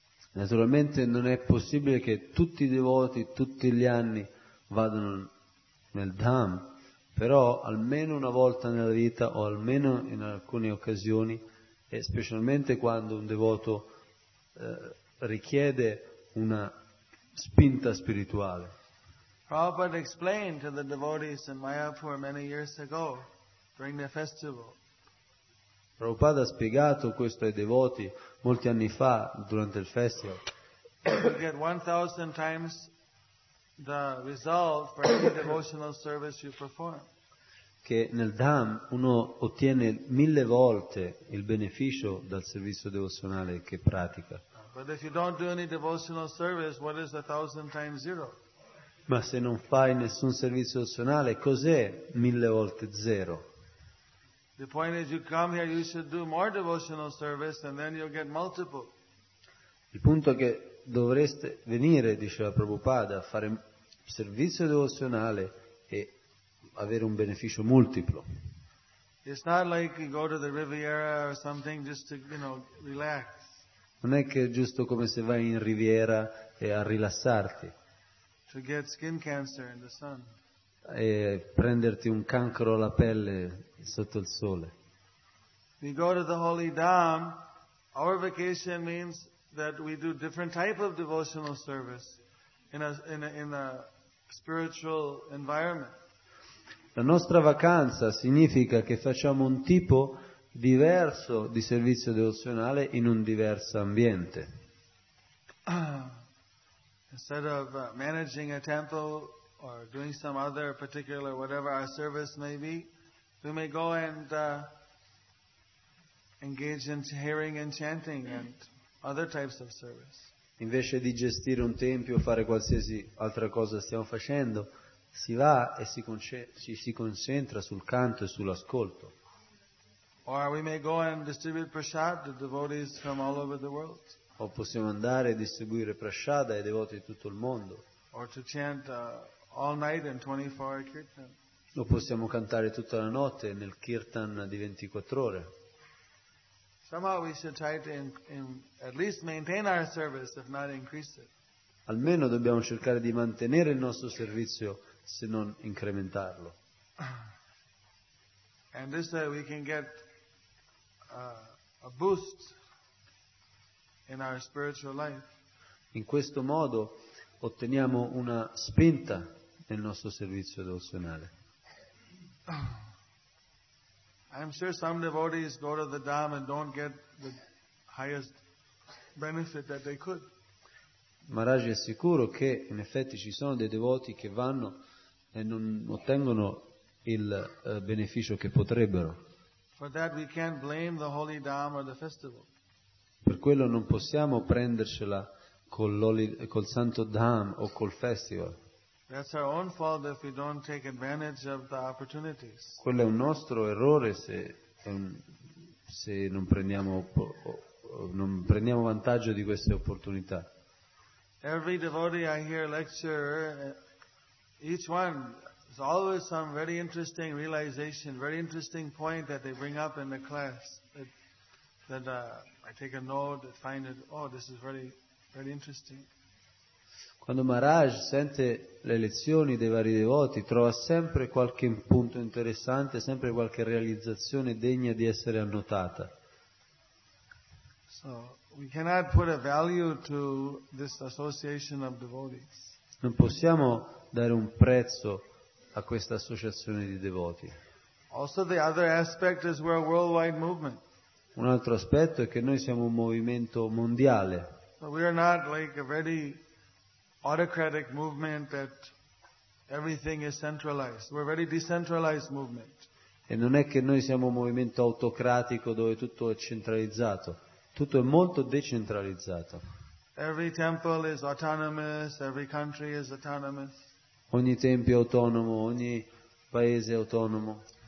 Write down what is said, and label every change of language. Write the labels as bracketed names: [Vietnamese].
[Italian] Naturalmente non è possibile che tutti i devoti tutti gli anni vadano nel Dham, però almeno una volta nella vita o almeno in alcune occasioni, e specialmente quando un devoto richiede una spinta spirituale. [English] Prabhupada explained to the devotees in Mayapur many years ago during the festival. [Italian] Prabhupada ha spiegato questo ai devoti molti anni fa durante il festival. [English] You get 1,000 times the result for any devotional service you perform. [Italian] Che nel Dham uno ottiene 1,000 volte il beneficio dal servizio devozionale che pratica. [English] But if you don't do any devotional service, what is 1,000 times zero? [Italian] Ma se non fai nessun servizio devozionale, cos'è 1,000 volte zero? [English] The point is, you come here, you should do more devotional service, and then you'll get multiple. [Italian] Il punto è che dovreste venire, diceva Prabhupada, a fare servizio devozionale e avere un beneficio multiplo. [English] It's not like you go to the Riviera or something just to, you know, relax. [Italian] Non è che è giusto come se vai in Riviera e a rilassarti. [English] To get skin cancer in the sun. [Italian] E prenderti un cancro alla pelle sotto il sole. [English] We go to the Holy Dham. Our vacation means that we do different type of devotional service in a spiritual environment. [Italian] La nostra vacanza significa che facciamo un tipo diverso di servizio devozionale in un diverso ambiente. [English] Instead of managing a temple or doing some other particular whatever our service may be, we may go and engage in hearing and chanting and other types of service. [Italian] Invece di gestire un tempio o fare qualsiasi altra cosa stiamo facendo, si va e si concentra sul canto e sull'ascolto. [English] Or we may go and distribute prasad to devotees from all over the world. [Italian] O possiamo andare a distribuire prasada ai devoti di tutto il mondo. [English] Or to chant all night in 24 kirtan. [Italian] O possiamo cantare tutta la notte nel kirtan di 24 ore. [English] Somehow we should try to at least maintain our service, if not increase it. [Italian] Almeno dobbiamo cercare di mantenere il nostro servizio, se non incrementarlo. [English] And this way we can get a boost in our spiritual life. [Italian] In questo modo otteniamo una spinta nel nostro servizio devozionale. [English] I'm sure some devotees go to the Dham and don't get the highest benefit that they could. [Italian] Maharaj è sicuro che in effetti ci sono dei devoti che vanno e non ottengono il beneficio che potrebbero. [English] For that we can't blame the Holy Dham or the festival. [Italian] Per quello non possiamo prendercela col Santo Dham o col festival. [English] That's our own fault if we don't take advantage of the opportunities. [Italian] Quello è un nostro errore se non prendiamo vantaggio di queste opportunità. [English] Every devotee I hear lecture, each one is always some very interesting realization, very interesting point that they bring up in the class. I take a note, find it. Oh, this is very, very interesting. [Italian] Quando Maharaj sente le lezioni dei vari devoti, trova sempre qualche punto interessante, sempre qualche realizzazione degna di essere annotata. [English] So, we cannot put a value to this association of devotees. [Italian] Non possiamo dare un prezzo a questa associazione di devoti. [English] Also the other aspect is we're a worldwide movement. [Italian] Un altro aspetto è che noi siamo un movimento mondiale. [English] We are not like a very autocratic movement that everything is centralized. We're a very decentralized movement. [Italian] E non è che noi siamo un movimento autocratico dove tutto è centralizzato. Tutto è molto decentralizzato. [English] Every temple is autonomous, every country is autonomous. [Italian] Ogni tempio è autonomo, ogni paese è autonomo.